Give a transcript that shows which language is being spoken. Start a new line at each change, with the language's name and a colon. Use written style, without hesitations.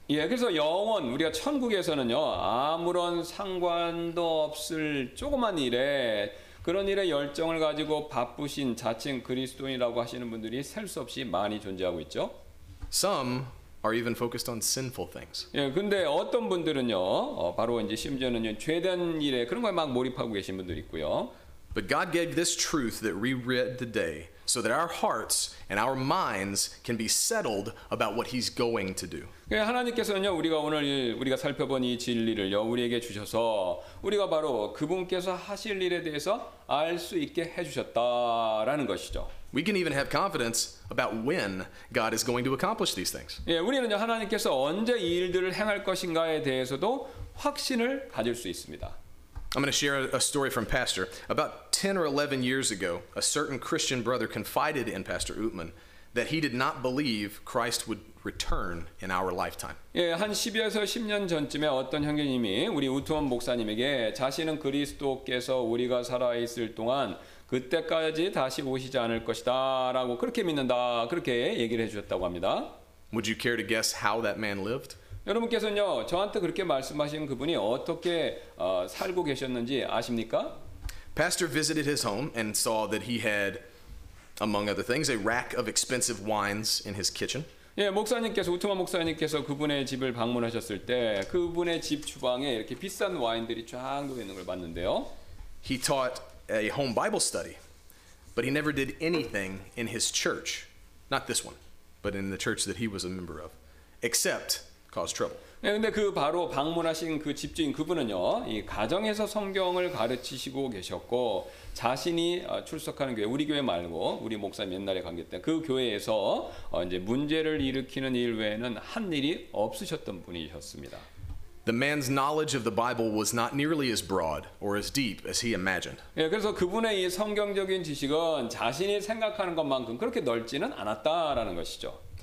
Korean: 예, 그래서 영원 우리가 천국에서는요, 아무런 상관도 없을 조그만 일에 그런 일에 열정을 가지고 바쁘신 자칭 그리스도인이라고 하시는 분들이 셀 수 없이 많이 존재하고 있죠.
English: Some are even focused on sinful things.
Korean: 예, 근데 어떤 분들은요, 바로 이제 심지어는 죄 된 일에 그런 거에 막 몰입하고 계신 분들 있고요.
English: But God gave this truth that we read today so that our hearts and our minds can be settled about what He's going to do.
Korean: 예, 하나님께서는요, 우리가 오늘 우리가 살펴본 이 진리를요, 우리에게 주셔서 우리가 바로 그분께서 하실 일에 대해서 알 수 있게 해주셨다라는 것이죠.
English: We can even have confidence about when God is going to accomplish these things.
Korean: 예, 우리는요, 하나님께서 언제 이 일들을 행할 것인가에 대해서도 확신을 가질 수 있습니다.
English: I'm going to share a story from Pastor. About 10 or 11 years ago, a certain Christian brother confided in Pastor Utman that he did not believe Christ would return in our lifetime.
Korean: 예, 한 12에서 10년 전쯤에 어떤 형제님이 우리 우트원 목사님에게 자신은 그리스도께서 우리가 살아 있을 동안 그때까지 다시 오시지 않을 것이다라고 그렇게 믿는다. 그렇게 얘기를 해 주셨다고 합니다.
English: Would you care to guess how that man lived?
Korean: 여러분께서는요, 저한테 그렇게 말씀하신 그분이 어떻게 살고 계셨는지 아십니까?
English: Pastor visited his home and saw that he had, among other things, a rack of expensive wines in his kitchen.
Korean: 예, 목사님께서 우트만 목사님께서 그분의 집을 방문하셨을 때 그분의 집 주방에 이렇게 비싼 와인들이 쫙 놓여 있는 걸 봤는데요.
English: He taught a home Bible study, but he never did anything in his church, not this one, but in the church that he was a member of, except cause trouble.
Korean: 예, 근데 그 바로 방문하신 그 집주인 그분은요, 이 가정에서 성경을 가르치시고 계셨고 자신이 출석하는 교회, 우리 교회 말고 우리 목사님 옛날에 관계 때 그 교회에서 이제 문제를 일으키는 일 외에는 한 일이 없으셨던 분이셨습니다.
English: The man's knowledge of the Bible was not nearly as broad or as deep as he imagined.
Korean: 예, 그래서 그분의 이 성경적인 지식은 자신이 생각하는 것만큼 그렇게 넓지는 않았다라는 것이죠.